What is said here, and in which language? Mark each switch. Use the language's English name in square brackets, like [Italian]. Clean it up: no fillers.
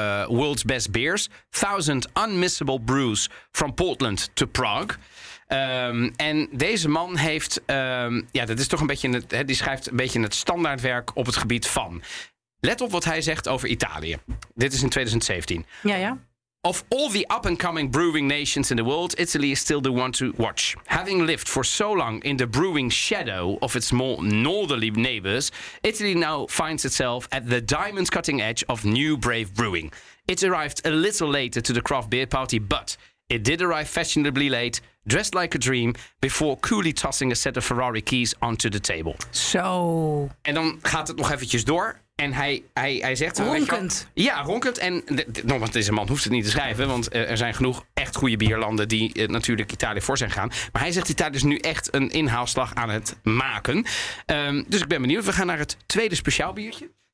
[English] World's Best Beers. 1000 Unmissable Brews from Portland to Prague. [Dutch] En deze man heeft... dat is toch een beetje... die schrijft een beetje het standaardwerk op het gebied van... Let op wat hij zegt over Italië. Dit is in 2017. Ja, ja. [English] Of all the up-and-coming brewing nations in the world, Italy is still the one to watch. Having lived for so long in the brewing shadow of its more northerly neighbors, Italy now finds itself at the diamond-cutting edge of new brave brewing. It arrived a little later to the craft beer party, but it did arrive fashionably late, dressed like a dream, before coolly tossing a set of Ferrari keys onto the table. So... [Dutch] En dan gaat het nog eventjes door. En hij zegt... Ronkend. Ja, ronkend. En nogmaals, deze man hoeft het niet te schrijven, want er zijn genoeg echt goede bierlanden die natuurlijk Italië voor zijn gaan. Maar hij zegt, Italië is nu echt een inhaalslag aan het maken. Dus ik ben benieuwd. We gaan naar het tweede speciaal biertje.